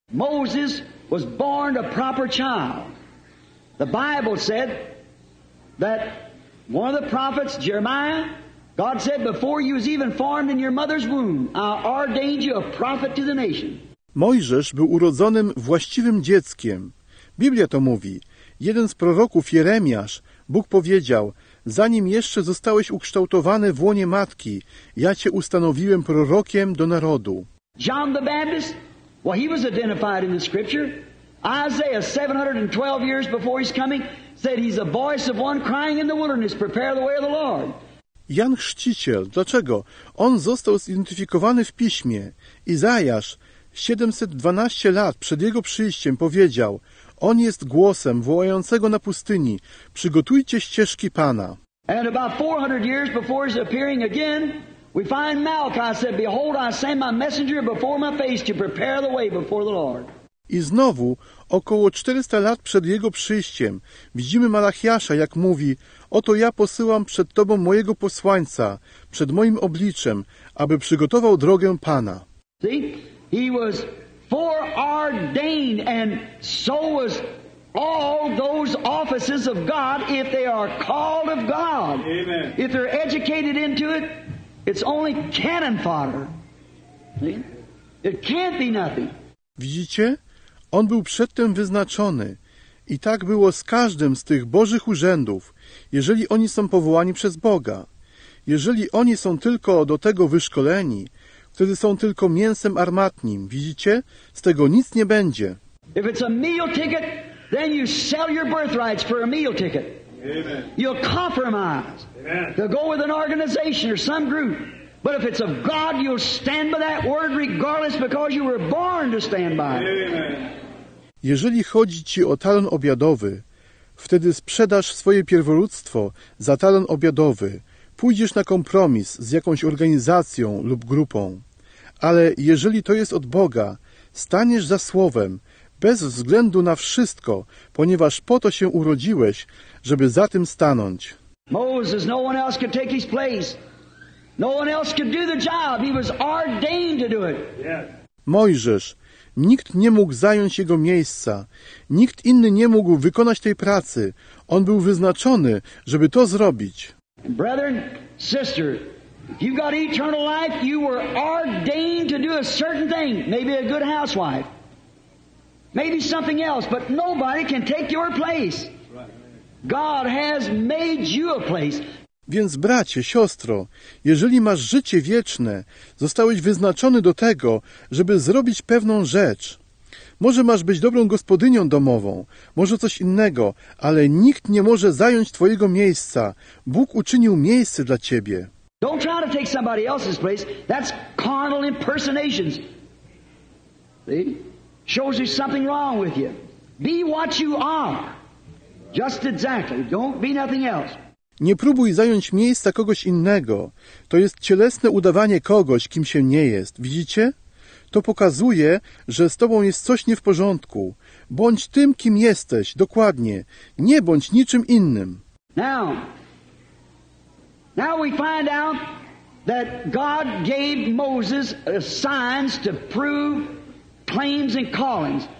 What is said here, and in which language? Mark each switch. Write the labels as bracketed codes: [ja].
[en] Moses was born a proper child. The Bible said that one of the prophets, Jeremiah, God said, before you was even formed in your mother's womb, I ordained you a prophet to the nation. [pl] Mojżesz był urodzonym właściwym dzieckiem. Biblia to mówi. Jeden z proroków, Jeremiasz, Bóg powiedział: zanim jeszcze zostałeś ukształtowany w łonie matki, ja cię ustanowiłem prorokiem do narodu. [en] John the Baptist, well, he was identified in the scripture. Isaiah, 712 years before his coming, said he's a voice of one crying in the wilderness, prepare the way of the Lord. [pl] Jan Chrzciciel, dlaczego? On został zidentyfikowany w piśmie. Izajasz, 712 lat przed jego przyjściem, powiedział: on jest głosem wołającego na pustyni, przygotujcie ścieżki Pana. [en] And about 400 years before his appearing again, we find Malachi said, behold, I send my messenger before my face to prepare the way before the Lord. [pl] I znowu, około 400 lat przed jego przyjściem, widzimy Malachiasza, jak mówi: oto ja posyłam przed tobą mojego posłańca, przed moim obliczem, aby przygotował drogę Pana. [en] See? He was foreordained, and so was all those offices of God, if they are called of God. Amen. If they're educated into it, it's only cannon fodder. See? It can't be nothing. [pl] Widzicie? On był przedtem wyznaczony. I tak było z każdym z tych Bożych urzędów, jeżeli oni są powołani przez Boga. Jeżeli oni są tylko do tego wyszkoleni, wtedy są tylko mięsem armatnim. Widzicie? Z tego nic nie będzie. [en] If it's a meal ticket, then you sell your birthrights for a meal ticket. Amen. You'll compromise. Amen. You'll go with an organization or some group. But if it's of God, you'll stand by that word regardless, because you were born to stand by it. Amen. [pl] Jeżeli chodzi ci o talon obiadowy, wtedy sprzedasz swoje pierwolództwo za talent obiadowy, pójdziesz na kompromis z jakąś organizacją lub grupą. Ale jeżeli to jest od Boga, staniesz za słowem, bez względu na wszystko, ponieważ po to się urodziłeś, żeby za tym stanąć. [en] Moses, no one else could take his place. No one else could do the job. He was ordained to do it. [pl] Mojżesz, nikt nie mógł zająć jego miejsca. Nikt inny nie mógł wykonać tej pracy. On był wyznaczony, żeby to zrobić. [en] Brethren, sister, you got eternal life. You were ordained to do a certain thing. Maybe a good housewife. Maybe something else, but nobody can take your place. God has made you a place. [pl] Więc bracie, siostro, jeżeli masz życie wieczne, zostałeś wyznaczony do tego, żeby zrobić pewną rzecz. Może masz być dobrą gospodynią domową, może coś innego, ale nikt nie może zająć twojego miejsca. Bóg uczynił miejsce dla ciebie. [en] Don't try to take somebody else's place. That's carnal impersonations. See? Shows there's something wrong with you. Be what you are. Just exactly. Don't be nothing else. [pl] Nie próbuj zająć miejsca kogoś innego. To jest cielesne udawanie kogoś, kim się nie jest. Widzicie? To pokazuje, że z tobą jest coś nie w porządku. Bądź tym, kim jesteś, dokładnie. Nie bądź niczym innym. [en] Now we find out that God gave Moses signs to prove claims and callings.